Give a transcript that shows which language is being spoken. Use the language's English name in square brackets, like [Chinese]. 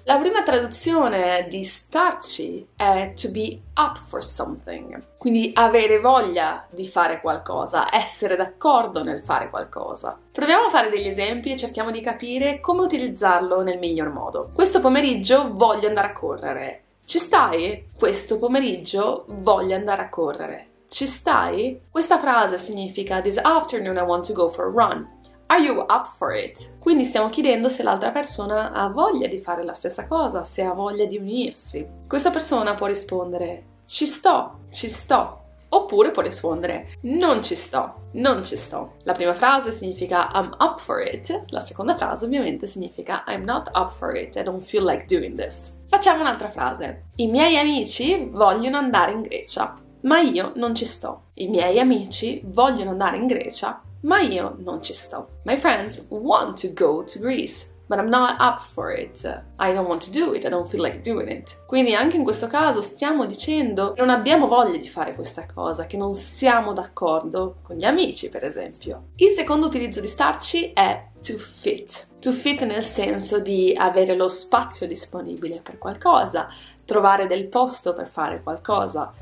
[Italian] La prima traduzione di starci è [English] to be up for something, [Italian] quindi avere voglia di fare qualcosa, essere d'accordo nel fare qualcosa. Proviamo a fare degli esempi e cerchiamo di capire come utilizzarlo nel miglior modo. Questo pomeriggio voglio andare a correre. Ci stai? Questo pomeriggio voglio andare a correre. Ci stai? Questa frase significa [English] This afternoon I want to go for a run. Are you up for it? [Italian] Quindi stiamo chiedendo se l'altra persona ha voglia di fare la stessa cosa, se ha voglia di unirsi. Questa persona può rispondere ci sto. Oppure può rispondere non ci sto, non ci sto. La prima frase significa [English] I'm up for it, [Italian] la seconda frase ovviamente significa [English] I'm not up for it, I don't feel like doing this. [Italian] Facciamo un'altra frase. I miei amici vogliono andare in Grecia, ma io non ci sto. I miei amici vogliono andare in Grecia, ma io non ci sto. [English] My friends want to go to Greece, but I'm not up for it. I don't want to do it, I don't feel like doing it. [Italian] Quindi anche in questo caso stiamo dicendo che non abbiamo voglia di fare questa cosa, che non siamo d'accordo con gli amici, per esempio. Il secondo utilizzo di starci è [English] to fit. To fit [Italian] nel senso di avere lo spazio disponibile per qualcosa, trovare del posto per fare qualcosa.